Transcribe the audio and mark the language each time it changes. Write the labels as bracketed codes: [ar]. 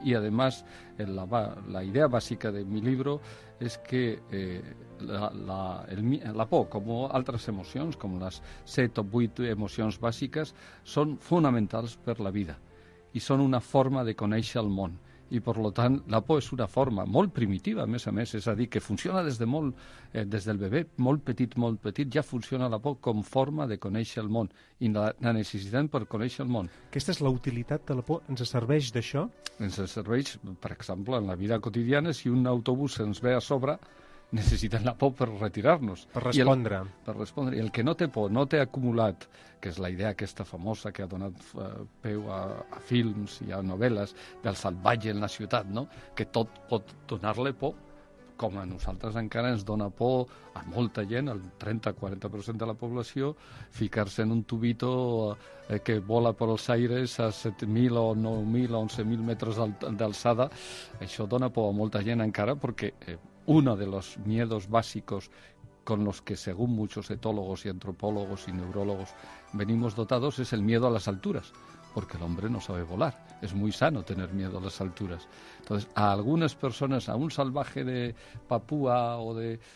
[es] Y además, la idea básica de mi libro es que la por, como otras emociones, como las 7 o 8 emociones básicas, son fundamentales para la vida y son una forma de conocer el mundo. [ca] I, per tant, la por és una forma molt primitiva, a més, és a dir, que funciona des del bebè, molt petit, ja funciona la por com forma de conèixer el món i la necessitem per conèixer el món. Aquesta és la utilitat de la por? Ens serveix d'això? Ens serveix, per exemple, en la vida quotidiana, si un autobús ens ve a sobre, necessitem la por per retirar-nos. Per respondre. I el que no té por, no té acumulat, que és la idea aquesta famosa que ha donat peu a films i a novel·les del salvatge en la ciutat, no? Que tot pot donar-li por, com a nosaltres encara ens dona por a molta gent, al 30-40% de la població, ficar-se en un tubito que vola per els aires a 7.000 o 9.000 o 11.000 metres d'alçada. Això dona por a molta gent encara perquè [es] uno de los miedos básicos con los que, según muchos etólogos y antropólogos y neurólogos, venimos dotados es el miedo a las alturas. porque el hombre no sabe volar. Es muy sano tener miedo a las alturas. Entonces, a algunas personas, a un salvaje de Papúa o de...